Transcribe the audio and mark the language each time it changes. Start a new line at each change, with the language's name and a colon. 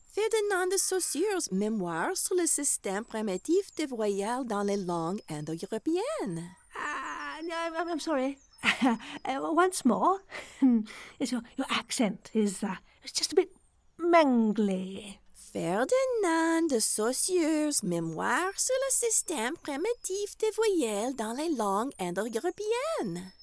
French: Ferdinand de Saussure's Memoirs sur le système primitif de voyelles dans la langue indo-européenne.
English: I'm sorry. Once more, your accent is just a bit mangly.
French: Ferdinand de Saussure's Memoirs sur le système primitif des voyelles dans les langues indo-européennes.